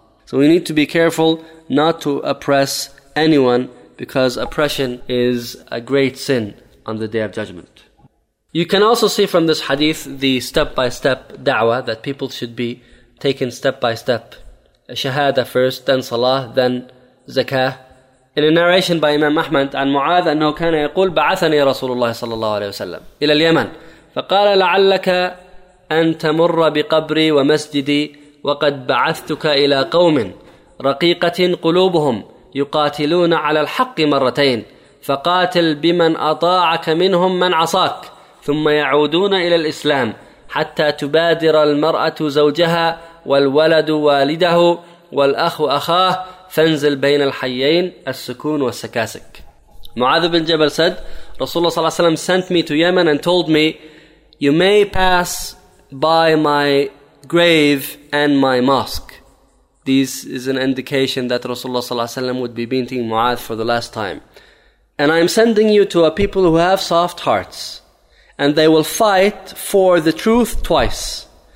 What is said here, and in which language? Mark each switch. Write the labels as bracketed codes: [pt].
[en] So we need to be careful not to oppress anyone, because oppression is a great sin on the Day of Judgment. You can also see from this hadith the step-by-step da'wah, that people should be taken step-by-step. Shahada first, then salah, then zakah. In a narration by Imam Ahmad, [ar] عن معاذ أنه كان يقول بعثني رسول الله صلى الله عليه وسلم إلى اليمن فقال لعلك أن تمر بقبري ومسجدي وقد بعثتك إلى قوم رقيقة قلوبهم يقاتلون على الحق مرتين فقاتل بمن أطاعك منهم من عصاك ثم يعودون إلى الإسلام حتى تبادر المرأة زوجها والولد والده والأخ أخاه فانزل بين الحيين السكون والسكاسك. [en] معاذ بن جبل said, Rasulullah صلى الله عليه وسلم sent me to Yemen and told me, you may pass by my grave and my mosque. This is an indication that Rasulullah صلى الله عليه وسلم would be meeting Mu'adh for the last time. And I am sending you to a people who have soft hearts, and they will fight for the truth twice.